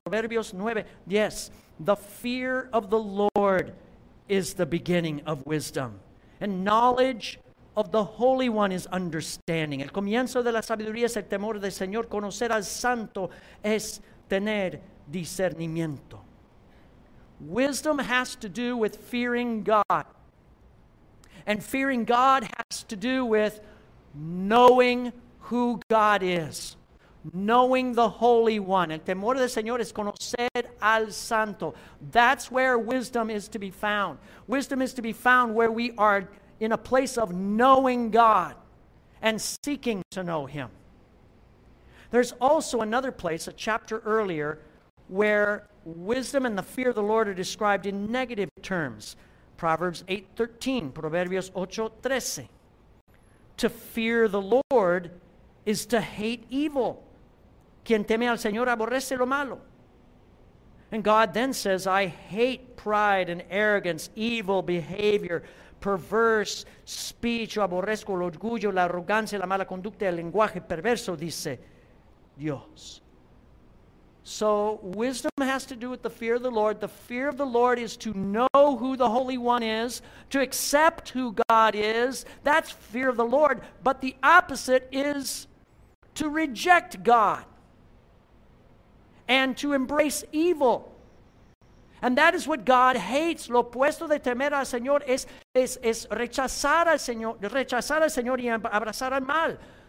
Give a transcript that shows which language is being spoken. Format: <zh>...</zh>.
<es>Proverbios 9, 10,</es> <en>the fear of the Lord is the beginning of wisdom. And knowledge of the Holy One is understanding.</en> <es>El comienzo de la sabiduría es el temor del Señor. Conocer al Santo es tener discernimiento.</es> <en>Wisdom has to do with fearing God. And fearing God has to do with knowing who God is. Knowing the Holy One.</en> <es>El temor del Señor es conocer al Santo.</es> <en>That's where wisdom is to be found. Wisdom is to be found where we are in a place of knowing God and seeking to know Him. There's also another place, a chapter earlier, where wisdom and the fear of the Lord are described in negative terms. Proverbs 8:13, Proverbios 8:13. To fear the Lord is to hate evil.</en> <es>Quien teme al Señor aborrece lo malo.</es> <en>And God then says, I hate pride and arrogance, evil behavior, perverse speech.</en> <es>Yo aborrezco el orgullo, la arrogancia, la mala conducta, el lenguaje perverso, dice Dios.</es> <en>So wisdom has to do with the fear of the Lord. The fear of the Lord is to know who the Holy One is, to accept who God is. That's fear of the Lord. But the opposite is to reject God and to embrace evil. And that is what God hates.</en> <es>Lo opuesto de temer al Señor es rechazar al Señor, y abrazar al mal.</es>